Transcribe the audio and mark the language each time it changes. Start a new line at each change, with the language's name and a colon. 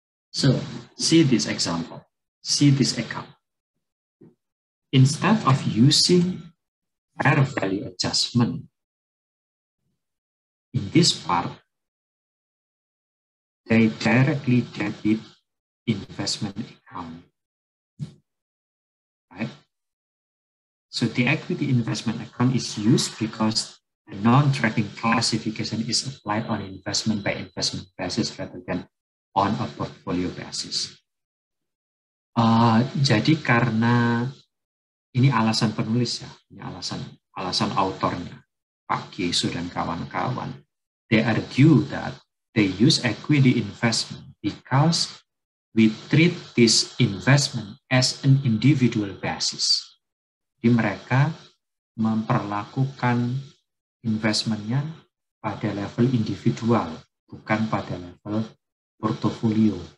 English: So, see this example. See this account. Instead of using fair value adjustment, in this part, they directly debit investment account. Right? So, the equity investment account is used because the non-tracking classification is applied on investment by investment basis rather than on a portfolio basis.
Indonesian: Jadi karena ini alasan penulis ya, ini alasan autornya, Pak Kiesu dan kawan-kawan.
English: They argue that they use equity investment because we treat this investment as an individual basis.
Indonesian: Jadi mereka memperlakukan investmentnya pada level individual, bukan pada level portofolio.